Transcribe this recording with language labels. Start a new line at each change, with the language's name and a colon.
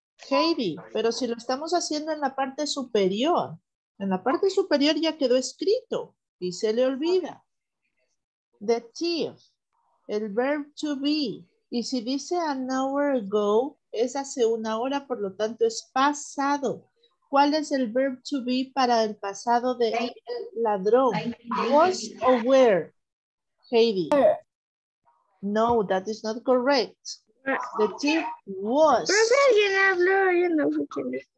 Spanish: Heidi, pero si lo estamos haciendo en la parte superior ya quedó escrito y se le olvida.
English: The thief,
Spanish: el verb to be. Y si dice
English: an hour ago,
Spanish: es hace una hora, por lo tanto es pasado. ¿Cuál es el verb to be para el pasado de el ladrón?
English: Was o where? Heidi. No, that is not correct. The thief was.
Spanish: Pero si alguien habló, yo no sé quién es.